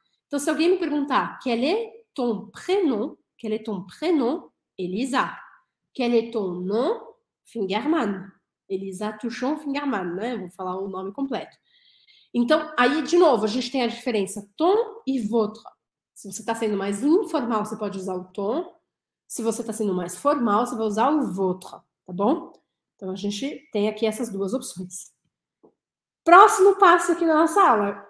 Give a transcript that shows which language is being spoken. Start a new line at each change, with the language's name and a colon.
Portuguese: Então, se alguém me perguntar,
French: quel est ton prénom,
Portuguese: Elisa.
French: Quel est ton nom, Fingerman?
Portuguese: Elisa Touchon Fingerman, né? Vou falar o nome completo. Então, aí, de novo, a gente tem a diferença ton e votre. Se você está sendo mais informal, você pode usar o ton. Se você está sendo mais formal, você vai usar o votre, tá bom? Então, a gente tem aqui essas duas opções. Próximo passo aqui na nossa aula.